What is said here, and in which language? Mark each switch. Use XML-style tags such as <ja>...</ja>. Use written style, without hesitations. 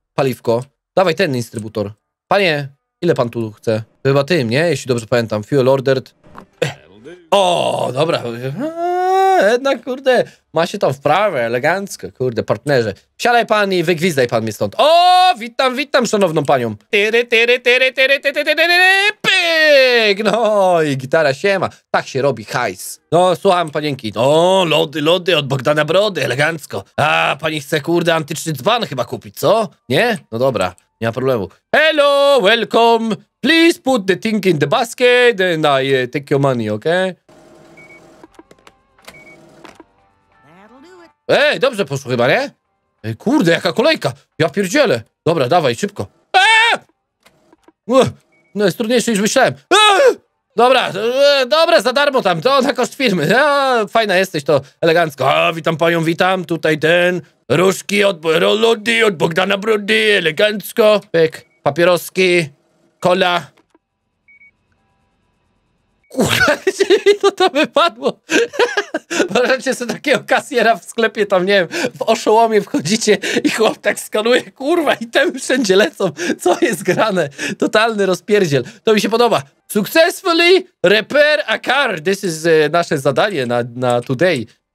<pl>Paliwko. Dawaj ten instrybutor. Panie? Ile pan tu chce? Chyba tym, nie? Jeśli dobrze pamiętam.</pl> <en>Fuel ordered.</en> <pl>O, dobra. Jednak, kurde, ma się tam w prawie, elegancko, kurde, partnerze. Wsiadaj pan i wygwizdaj pan mnie stąd. O, witam, witam, szanowną panią. Tyry, tyry, tyry, tyry, tyry, tyry, tyry, pyk! No, i gitara siema. Tak się robi, hajs. No, słucham, panienki. O, lody, lody od Bogdana Brody, elegancko. A, pani chce, kurde, antyczny dzban chyba kupić, co? Nie? No dobra. Nie ma problemu.</pl> <en>Hello, welcome. Please put the thing in the basket and I take your money, okay?</en> <pl>Ej, dobrze poszło chyba, nie? Ej, kurde, jaka kolejka. Ja pierdzielę. Dobra, dawaj, szybko. No jest trudniejsze niż myślałem. Dobra, dobra, za darmo tam, to na koszt firmy. A, fajna jesteś, to elegancko. A, witam panią, witam, tutaj ten. Różki od Lody, od Bogdana Brody, elegancko. Pyk, papieroski, kola. Kurwa, gdzie mi to tam wypadło? Wyobraźcie sobie takiego kasjera w sklepie tam, nie wiem, w oszołomie wchodzicie i chłop tak skanuje, kurwa, i tam wszędzie lecą. Co jest grane? Totalny rozpierdziel. To mi się podoba.</pl> <en>Successfully repair a car. This is</en> <pl>nasze zadanie na</pl> <en>today.</en>